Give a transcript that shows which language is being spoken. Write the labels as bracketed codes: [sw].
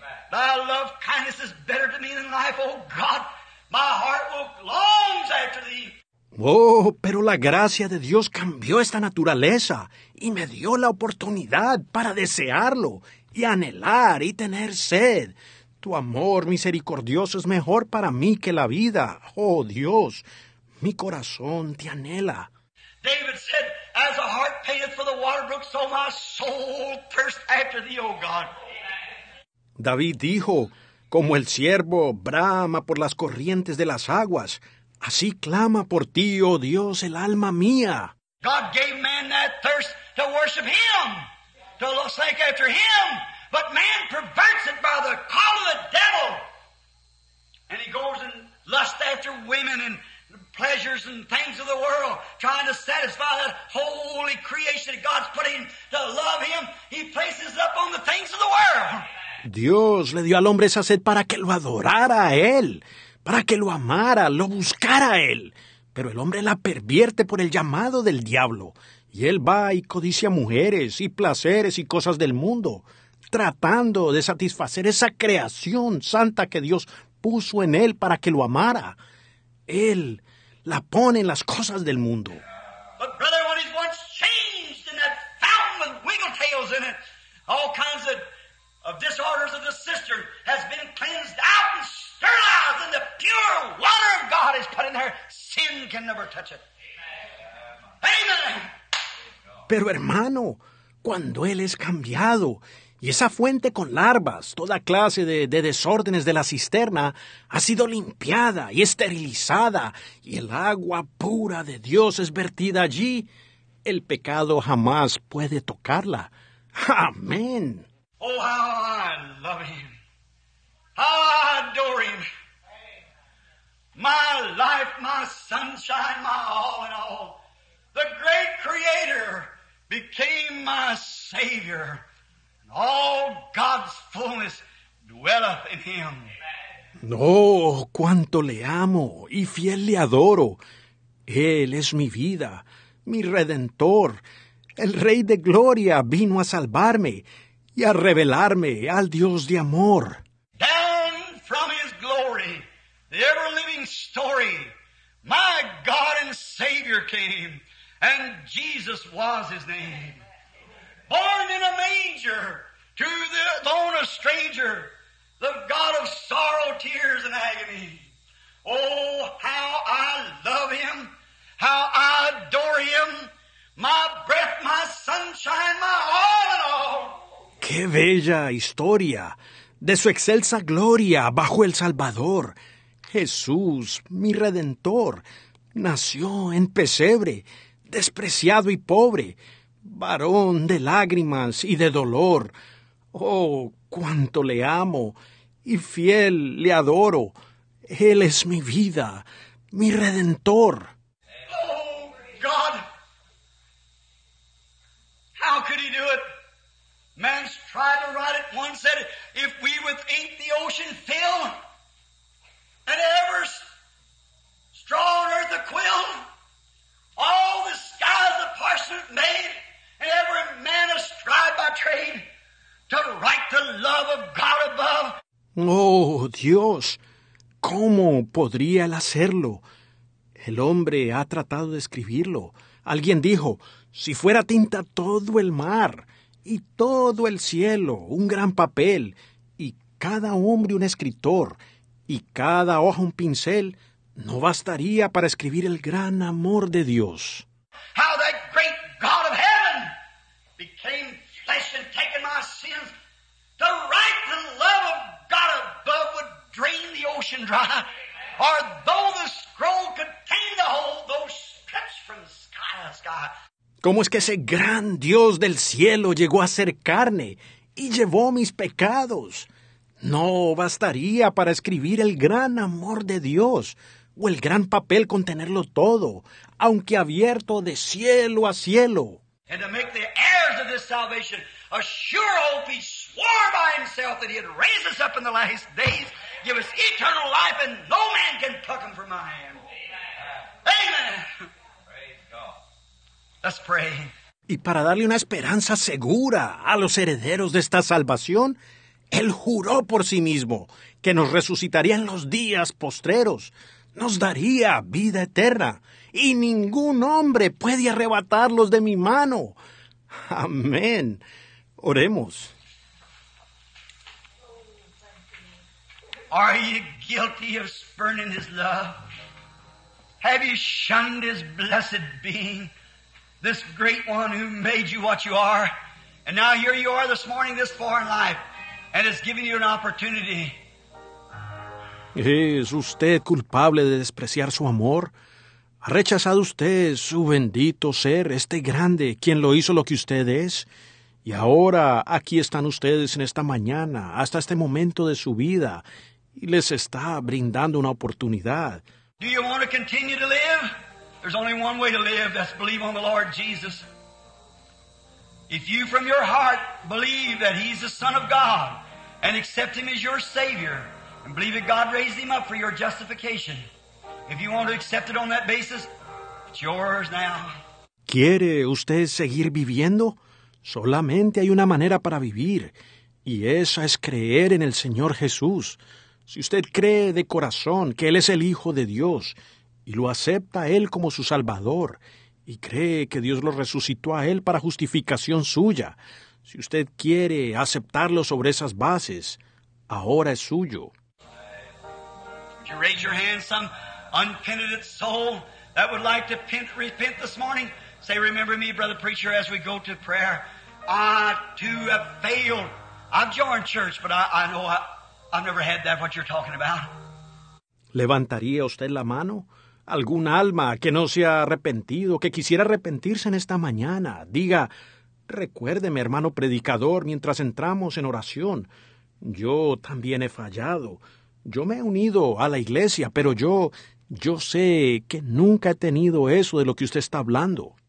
[en] Thy love kindness is better to me than life, oh God. My heart longs after thee. [es] Oh, pero la gracia de Dios cambió esta naturaleza y me dio la oportunidad para desearlo y anhelar y tener sed. Tu amor misericordioso es mejor para mí que la vida. Oh Dios, mi corazón te anhela. [en] David said, as a heart panteth for the water brook, so my soul thirsts after thee, oh God. [es] David dijo, como el ciervo brama por las corrientes de las aguas, así clama por ti, oh Dios, el alma mía. [en] God gave man that thirst to worship him, to seek after him, but man perverts it by the call of the devil. And he goes and lusts after women and pleasures and things of the world, trying to satisfy that holy creation that God's put in to love him. He places it up on the things of the world. Amen. [es] Dios le dio al hombre esa sed para que lo adorara a él, para que lo amara, lo buscara a él. Pero el hombre la pervierte por el llamado del diablo. Y él va y codicia mujeres y placeres y cosas del mundo, tratando de satisfacer esa creación santa que Dios puso en él para que lo amara. Él la pone en las cosas del mundo. [en] But brother, when he's once changed in that fountain with wiggle tails in it, all kinds of disorders of the cistern has been cleansed out and sterilized, and the pure water of God is put in there. Sin can never touch it. Amen. Amen. [es] Pero hermano, cuando él es cambiado y esa fuente con larvas, toda clase de desórdenes de la cisterna, ha sido limpiada y esterilizada, y el agua pura de Dios es vertida allí, el pecado jamás puede tocarla. ¡Amén! [en] Oh, how I love him. How I adore him. My life, my sunshine, my all in all. The great creator became my savior. All God's fullness dwelleth in him. [es] No, cuánto le amo y fiel le adoro. Él es mi vida, mi redentor. El Rey de Gloria vino a salvarme y a revelarme al Dios de amor. [en] Down from his glory, the ever-living story, my God and Savior came, and Jesus was his name. Born in a manger, to the own a stranger, the God of sorrow, tears, and agony. Oh, how I love him, how I adore him, my breath, my sunshine, my all in all. [es] ¡Qué bella historia! De su excelsa gloria bajo el Salvador. Jesús, mi Redentor, nació en pesebre, despreciado y pobre, varón de lágrimas y de dolor. ¡Oh, cuánto le amo y fiel le adoro! Él es mi vida, mi Redentor. [en] ¡Oh, God! How could he do it? Man's tried to write it once, said, if we with ink the ocean fill, and ever straw on earth a quill, all the skies a parchment made, and every man a scribe by trade, to write the love of God above. [es] Oh, Dios, ¿cómo podría él hacerlo? El hombre ha tratado de escribirlo. Alguien dijo, si fuera tinta todo el mar y todo el cielo, un gran papel, y cada hombre un escritor, y cada hoja un pincel, no bastaría para escribir el gran amor de Dios. [en] How that great God of heaven became flesh and taken my sins, to write the love of God above would drain the ocean dry, or though the scroll contained the whole, those strips from sky to sky. [es] ¿Cómo es que ese gran Dios del cielo llegó a ser carne y llevó mis pecados? No bastaría para escribir el gran amor de Dios o el gran papel contenerlo todo, aunque abierto de cielo a cielo. [en] And to make the heirs of this salvation a sure hope, he swore by himself that he'd raise us up in the last days, give us eternal life, and no man can pluck him from my hand. Amen. Amen. Praise God. Let's pray. [es] Y para darle una esperanza segura a los herederos de esta salvación, él juró por sí mismo que nos resucitaría en los días postreros, nos daría vida eterna. Y ningún hombre puede arrebatarlos de mi mano. Amén. Oremos. [en] Are you guilty of spurning his love? Have you shunned his blessed being, this great one who made you what you are? And now here you are this morning, this foreign life, and it's given you an opportunity. [es] ¿Es usted culpable de despreciar su amor? ¿Ha rechazado usted su bendito ser, este grande, quien lo hizo lo que usted es? Y ahora aquí están ustedes en esta mañana, hasta este momento de su vida, y les está brindando una oportunidad. [en] Do you want to continue to live? There's only one way to live, that's believe on the Lord Jesus. If you from your heart believe that he's the Son of God, and accept him as your Savior and believe that God raised him up for your justification. If you want to accept it on that basis, it's yours now. [es] ¿Quiere usted seguir viviendo? Solamente hay una manera para vivir, y esa es creer en el Señor Jesús. Si usted cree de corazón que Él es el Hijo de Dios, y lo acepta a Él como su Salvador, y cree que Dios lo resucitó a Él para justificación suya, si usted quiere aceptarlo sobre esas bases, ahora es suyo. [en] You raise your hand, some unpenitent soul that would like to repent this morning. Say, remember me, brother preacher, as we go to prayer. I, too, have failed. I've joined church, but I know I've never had that, what you're talking about. [es] ¿Levantaría usted la mano? ¿Algún alma que no se ha arrepentido, que quisiera arrepentirse en esta mañana? Diga, recuérdeme, hermano predicador, mientras entramos en oración. Yo también he fallado. Yo me he unido a la iglesia, pero yo sé que nunca he tenido eso de lo que usted está hablando.